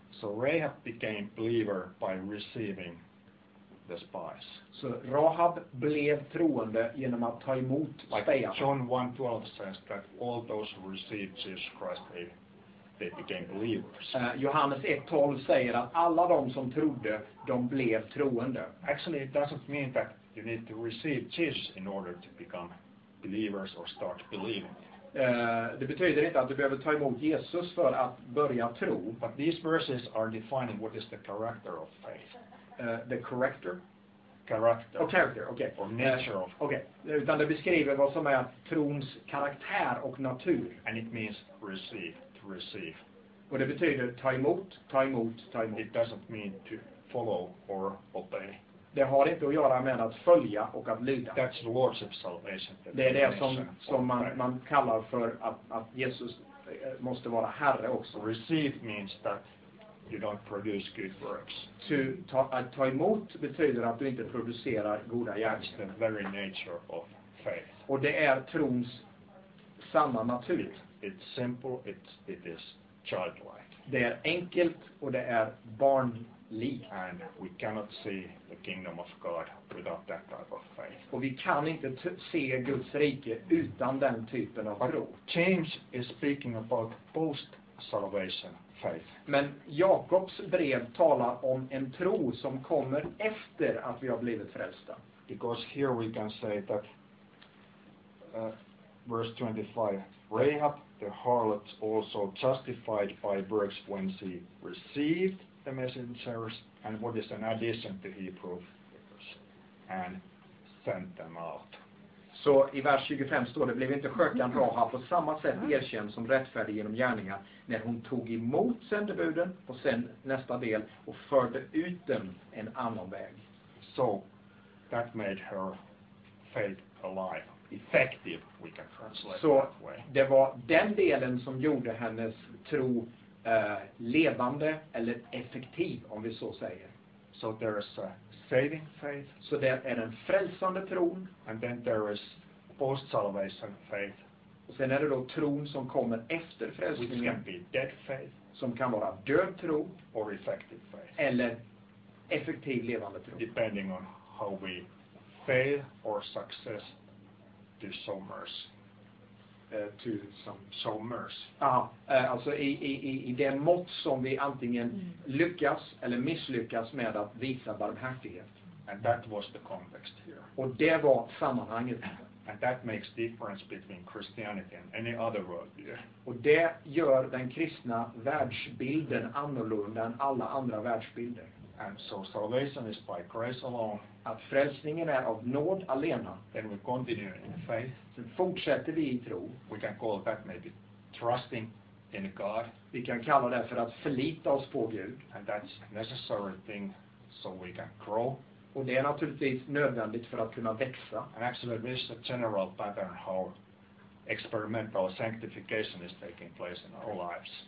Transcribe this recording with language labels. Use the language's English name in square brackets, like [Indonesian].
[English] So Rahab became believer by receiving the spies. [Swedish] Så Rahab blev troende genom att ta emot spejarna. [English] John 1:12 says that all those who received Jesus Christ they became believers. [Swedish] Johannes 1:12 säger att alla de som trodde, de blev troende. [English] Actually it doesn't mean that you need to receive Jesus in order to become believers or start believing. [Swedish] Det betyder inte att du behöver ta emot Jesus för att börja tro. [English] But these verses are defining what is the character of faith. The corrector? Character. Oh, character, okay. Or nature of faith. Okay. [Swedish] Utan det beskriver vad som är trons karaktär och natur. [English] And it means receive, to receive. [Swedish] Och det betyder ta emot, ta emot, ta emot. [English] It doesn't mean to follow or obey. [Swedish] Det har inte att göra med att följa och att lyda. [English] That's the Lordship salvation. [Swedish] Det är det som man kallar för att Jesus måste vara herre också. [English] Receive means that you don't produce good works. [Swedish] Att ta emot betyder att du inte producerar goda gärningar. [English] That's the very nature of faith. [Swedish] Och det är trons sanna natur. [English] It's simple, it is childlike. [Swedish] Det är enkelt och det är barnligt. [English] And we cannot see the kingdom of God without that type of faith. [Swedish] Och vi kan inte se Guds rike utan den typen av tro. [English] James is speaking about post-salvation faith. [Swedish] Men Jakobs brev talar om en tro som kommer efter att vi har blivit frälsta. [English] Because here we can say that verse 25, Rahab the harlot also justified by works when she received the messengers and what is an addition to Hebrews and sent them out. [Swedish] Så i vers 25 står det, blev inte skökan Rahab på samma sätt erkänd som rättfärdig genom gärningar när hon tog emot sändebuden och sen nästa del och förde ut dem en annan väg. [English] So that made her faith alive, effective, we can translate so that way. [Swedish] Så det var den delen som gjorde hennes tro levande eller effektiv, om vi så säger. [English] So there is a saving faith. [Swedish] Så det är en frälsande tron. [English] And then there is post-salvation faith. [Swedish] Och sen är det då tron som kommer efter frälsningen. [English] Which can be dead faith. [Swedish] Som kan vara död tro. [English] Or effective faith. [Swedish] Eller effektiv levande tro. [English] Depending on how we fail or success to show mercy. To some show mercy. [Swedish] Alltså i det mått som vi antingen lyckas eller misslyckas med att visa barmhärtighet. [English] And that was the context here. [Swedish] Och det var sammanhanget. [English] And that makes difference between Christianity and any other worldview. [Swedish] Och det gör den kristna världsbilden annorlunda än alla andra världsbilder. [English] And so salvation is by grace alone. [Swedish] Att frälsningen är av nåd alena. [English] Then we continue in faith. [Swedish] Så fortsätter vi i tro. [English] We can call that maybe trusting in God. [Swedish] Vi kan kalla det för att förlita oss på Gud. [English] And that's a necessary thing so we can grow. [Swedish] Och det är naturligtvis nödvändigt för att kunna växa. [English] And actually this is a general pattern how experimental sanctification is taking place in our lives.